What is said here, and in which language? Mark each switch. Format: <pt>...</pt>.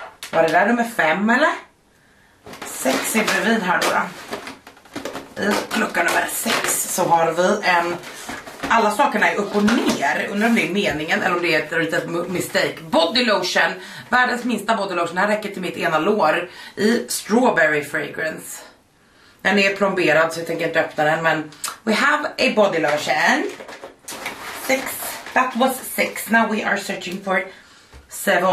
<sv>Var det där nummer 5 eller? 6 är bredvid här då. I lucka nummer 6 så har vi en... Alla sakerna är upp och ner. Undrar om det är meningen eller om det är ett litet mistake. Body lotion. Världens minsta body lotion. Den här räcker till mitt ena lår. I</sv> <en>strawberry fragrance.</en> <sv>Den är plomberad så jag tänker inte öppna den. Men</sv> <en>we have a body lotion. 6. That was 6. Now we are searching for 7.</en>